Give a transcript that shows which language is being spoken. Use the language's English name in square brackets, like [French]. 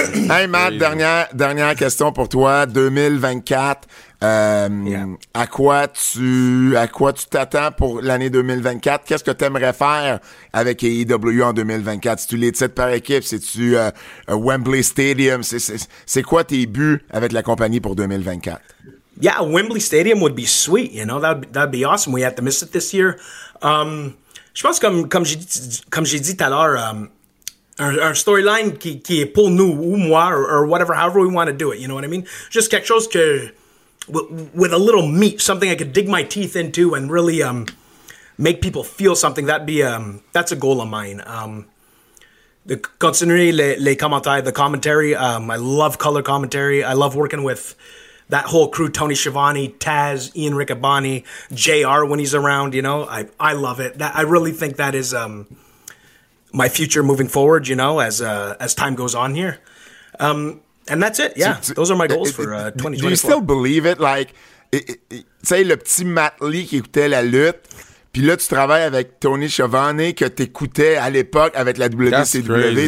[French] Hey, Matt, dernière question pour toi. 2024. À quoi tu t'attends pour l'année 2024? Qu'est-ce que tu aimerais faire avec AEW en 2024? C'est-tu les titres par équipe? C'est-tu Wembley Stadium? C'est quoi tes buts avec la compagnie pour 2024? [English] Yeah, Wembley Stadium would be sweet, you know? That'd be awesome. We had to miss it this year. [French] Je pense comme j'ai dit tout à l'heure, un storyline qui est pour nous ou moi [English] or whatever, however we want to do it, you know what I mean? Just [French] quelque chose que [English] with a little meat, something I could dig my teeth into and really make people feel something. That's a goal of mine. The [French] continuer les commentaires, [English] the commentary. I love color commentary. I love working with that whole crew: Tony Schiavone, Taz, Ian Riccaboni, JR when he's around. You know, I love it. That, I really think that is my future moving forward. You know, as time goes on here. And that's it. Yeah, those are my goals for 2024. Do you still believe it? [French] Like, tu sais, le petit Matt Lee qui écoutait la lutte, puis là, tu travailles avec Tony Schiavone que tu écoutais à l'époque avec la WCW.